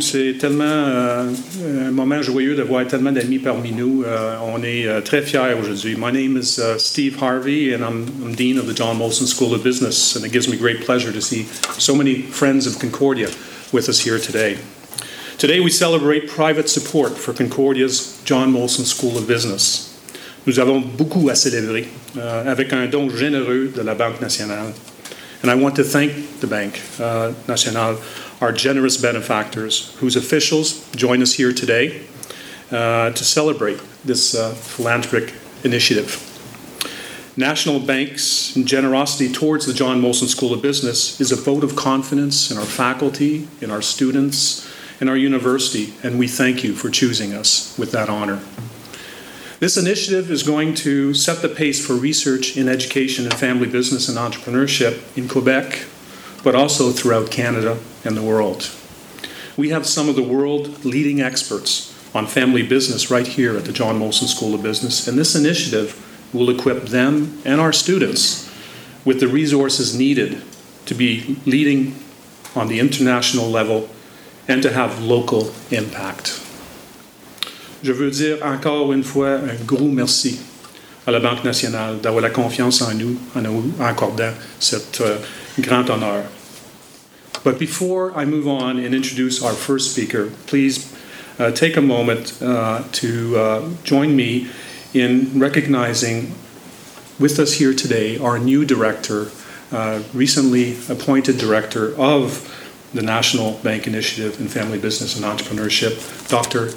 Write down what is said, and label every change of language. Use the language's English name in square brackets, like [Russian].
[French] C'est tellement un moment joyeux de voir tellement d'amis parmi nous. On est très fiers aujourd'hui. [English] My name is Steve Harvey, and I'm dean of the John Molson School of Business, and it gives me great pleasure to see so many friends of Concordia with us here today. Today, we celebrate private support for Concordia's John Molson School of Business. [French] Nous avons beaucoup à célébrer avec un don généreux de la Banque Nationale. [English] And I want to thank the Bank Nationale, our generous benefactors, whose officials join us here today to celebrate this philanthropic initiative. National Bank's generosity towards the John Molson School of Business is a vote of confidence in our faculty, in our students, in our university, and we thank you for choosing us with that honor. This initiative is going to set the pace for research in education and family business and entrepreneurship in Quebec, but also throughout Canada and the world. We have some of the world's leading experts on family business right here at the John Molson School of Business, and this initiative will equip them and our students with the resources needed to be leading on the international level and to have local impact. [French] Je veux dire encore une fois un gros merci à la Banque Nationale d'avoir la confiance en nous en nous accordant cet grand honneur. [English] But before I move on and introduce our first speaker, please take a moment to join me in recognizing with us here today our new director, recently appointed director of the National Bank Initiative in Family Business and Entrepreneurship, Dr.